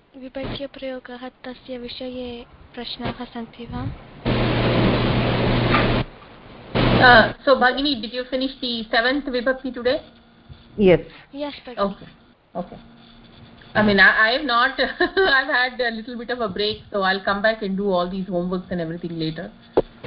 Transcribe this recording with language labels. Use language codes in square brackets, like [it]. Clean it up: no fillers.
[sa] विभज्यप्रयोगः तस्य विषये प्रश्नाः सन्ति वा [en] so भगिनि did you finish the seventh विभक्ति today yes yes okay okay I mean I have not I have had a little bit of a break so I will come back and do all these homeworks and everything later